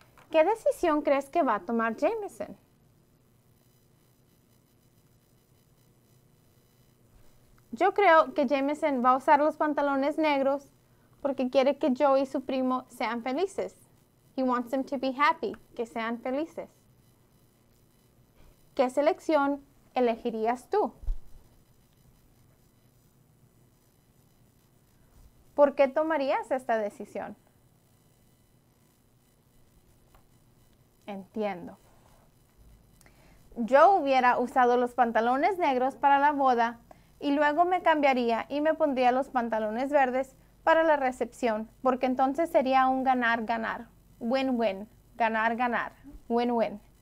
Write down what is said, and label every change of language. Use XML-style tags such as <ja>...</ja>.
<es>¿Qué decisión crees que va a tomar Jameson? Yo creo que Jameson va a usar los pantalones negros porque quiere que Joe y su primo sean felices.</es> <en>He wants them to be happy,</en> <es>que sean felices. ¿Qué selección elegirías tú? ¿Por qué tomarías esta decisión? Entiendo. Yo hubiera usado los pantalones negros para la boda y luego me cambiaría y me pondría los pantalones verdes para la recepción, porque entonces sería un ganar-ganar, win-win, ganar-ganar, win-win.</es>